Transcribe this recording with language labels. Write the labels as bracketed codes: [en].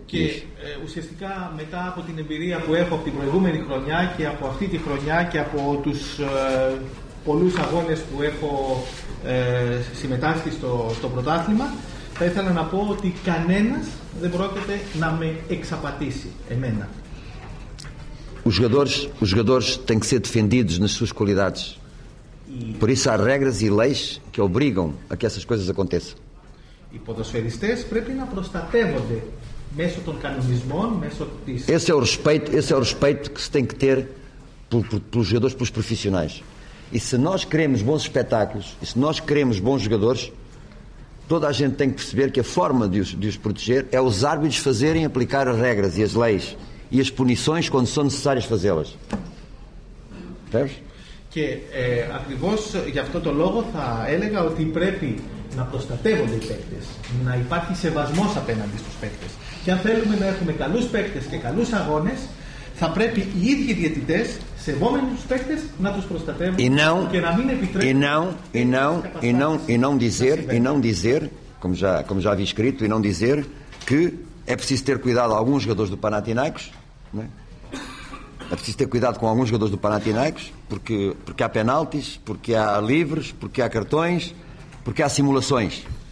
[pt] Que, [el] ουσιαστικά, μετά από την εμπειρία που έχω από την προηγούμενη χρονιά και από αυτή τη χρονιά και από τους πολλούς αγώνες που έχω συμμετάσχει στο πρωτάθλημα, θα ήθελα να πω ότι κανένας δεν πρόκειται να με εξαπατήσει εμένα. [pt] Os jogadores têm que ser defendidos nas suas qualidades. Por isso há regras e leis que obrigam a que essas coisas aconteçam. [el] Οι ποδοσφαιριστές πρέπει να προστατεύονται μέσω των κανονισμών, μέσω της. [pt] Esse é o respeito que se tem que ter pelos jogadores, pelos profissionais. E se nós queremos bons espetáculos, e se nós queremos bons jogadores, toda a gente tem que perceber que a forma de os proteger é os árbitros fazerem aplicar as regras e as leis e as punições quando são necessárias fazê-las. Percebes? Que [el] ακριβώς για αυτό το λόγο θα έλεγα ότι πρέπει να προστατεύονται οι παίκτες, να υπάρχει σεβασμός απέναντι στους παίκτες. Και αν θέλουμε να έχουμε καλούς παίκτες και καλούς αγώνες, θα πρέπει οι ίδιοι διαιτητές, σεβόμενοι τους παίκτες, να τους προστατεύουν και να μην επιτρέπουν. [pt] E não dizer, como já havia escrito, e não dizer que é preciso ter cuidado com alguns jogadores do Panathinaikos, né? É preciso ter cuidado com alguns jogadores do Panathinaikos, porque há penaltis, porque há livres, porque há cartões, porque há simulações.